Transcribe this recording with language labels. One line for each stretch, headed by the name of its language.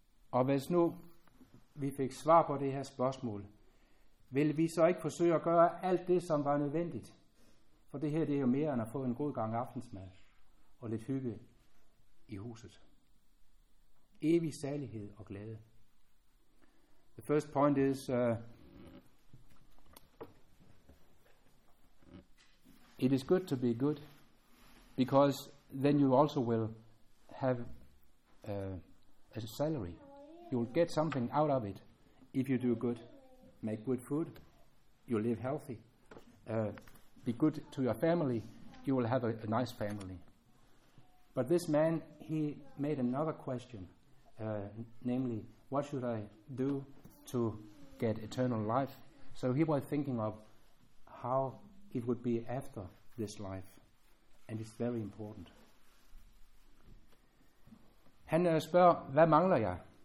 Danish: Og hvis nu vi fik svar på det her spørgsmål, vil vi så ikke forsøge at gøre alt det, som var nødvendigt? For det her, det er jo mere end at få en god gang aftensmad og lidt hygge i huset. Evig salighed og glæde.
English: The first point is, it is good to be good, because then you also will have a salary. You'll get something out of it. If you do good, make good food, you live healthy, be good to your family, you will have a nice family. But this man, he made another question, namely, what should I do to get eternal life? So he was thinking of how it would be after this life, and it's very important.
Danish: Han spørger, hvad mangler jeg?